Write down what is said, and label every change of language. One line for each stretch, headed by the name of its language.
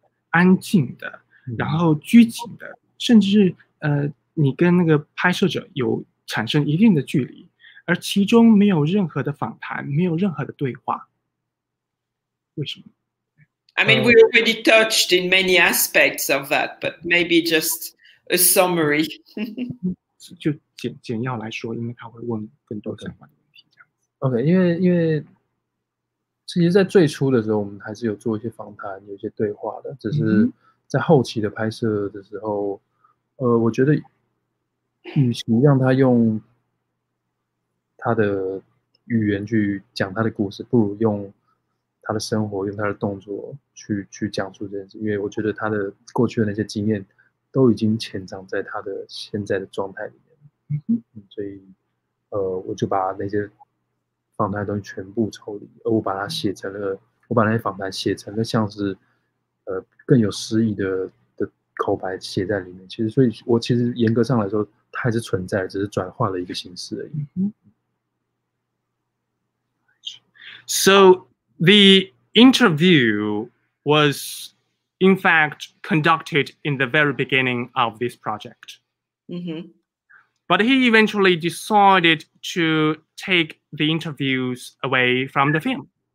Chinese: 安静的，然后拘谨的，甚至你跟那个拍摄者有产生一定的距离，而其中没有任何的访谈，没有任何的对话。为什么
English: ？I mean, we already touched in many aspects of that, but maybe just a summary.
Chinese: 就简要来说，因为他会问更多相关的问题。 OK， 因为。其实在最初的时候我们还是有做一些访谈有一些对话的，只是在后期的拍摄的时候、嗯、我觉得与其让他用他的语言去讲他的故事，不如用他的生活，用他的动作 去讲述这件事，因为我觉得他的过去的那些经验都已经潜藏在他的现在的状态里面、嗯、所以我就把那些访谈的东西全部抽离，而我把它写成了，我把那些访谈写成了像是，更有诗意的口白写在里面。其实，所以我其实严格上来说，它还是存在，只是转换了一个形式而已。
English: So the interview was in fact conducted in the very beginning of this project. Mm-hmm. But he eventually decided to take. The interviews away from the film.